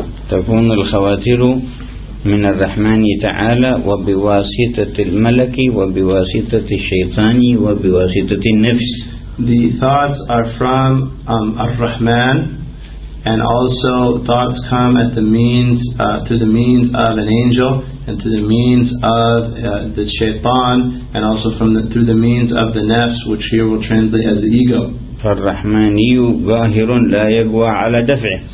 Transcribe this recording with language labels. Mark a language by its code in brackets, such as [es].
[ar] تكون الخواطر من الرحمن تعالى وبواسطة الملك وبواسطة الشيطان وبواسطة النفس. [en] The thoughts are from Ar-Rahman, and also thoughts come at the means through the means of an angel and through the means of the shaitan, and also from through the means of the nafs, which here will translate as the ego. [ar] فالرحماني قاهر لا يقوى على دفعه.